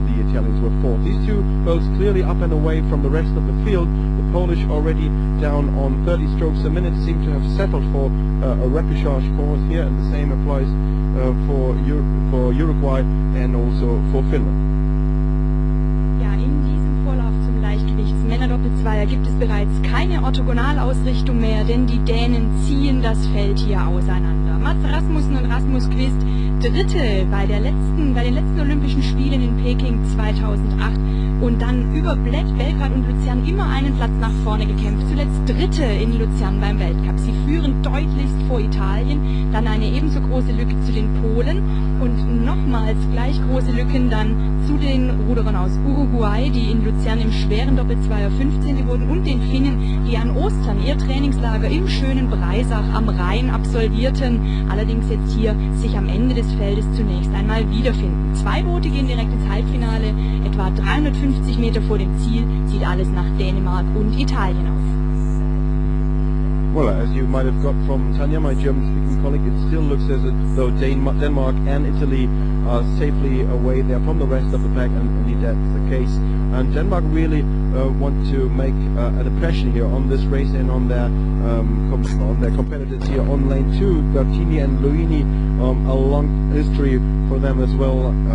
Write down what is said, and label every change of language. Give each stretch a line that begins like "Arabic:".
English: The Italians were fourth. These two boats clearly up and away from the rest of the field. The Polish already down on 30 strokes a minute, seem to have settled for a repechage course here, and the same applies for Uruguay and also for Finland.
German: Ja, in diesem Vorlauf zum Leichtgewichtsmännerdoppelzweier gibt es bereits keine Orthogonalausrichtung mehr, denn die Dänen ziehen das Feld hier auseinander. Mats Rasmussen und Rasmus Quist, Dritte bei den letzten Olympischen Spielen in Peking 2008, und dann über Belgrad und Luzern immer einen Platz nach vorne gekämpft. Zuletzt Dritte in Luzern beim Weltcup. Sie führen deutlichst vor Italien, dann eine ebenso große Lücke zu den Polen. und nochmals gleich große Lücken dann zu den Ruderern aus Uruguay, die in Luzern im schweren Doppelzweier 15. wurden, und den Finnen, die an Ostern ihr Trainingslager im schönen Breisach am Rhein absolvierten, allerdings jetzt hier sich am Ende des Feldes zunächst einmal wiederfinden. Zwei Boote gehen direkt ins Halbfinale, etwa 350 Meter vor dem Ziel, sieht alles nach Dänemark und Italien aus.
English: Well, as you might have got from Tanja, my German-speaking colleague, it still looks as though Denmark and Italy are safely away there from the rest of the pack, and indeed that's the case. And Denmark really want to make an impression here on this race and on their competitors here on lane two, Bertini and Luini, a long history for them as well.